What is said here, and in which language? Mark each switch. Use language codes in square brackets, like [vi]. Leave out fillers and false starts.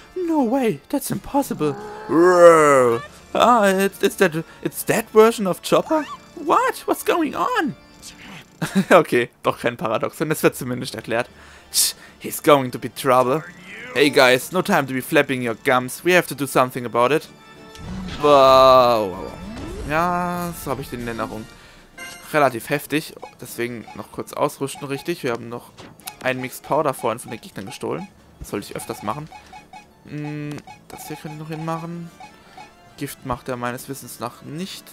[en] No way, that's impossible. Roar. Ah, it's that version of Chopper? What? What's going on? [de] Okay, doch kein Paradox, denn es wird zumindest erklärt. [en] Shh, he's going to be trouble. Hey guys, no time to be flapping your gums. We have to do something about it. Wow. [de] Ja, so habe ich den in Erinnerung. Relativ heftig. Deswegen noch kurz ausrüsten, richtig. Wir haben noch einen Mixed Powder vorhin von den Gegnern gestohlen. Das sollte ich öfters machen. Das hier könnte ich noch hinmachen. Gift macht er meines Wissens nach nicht.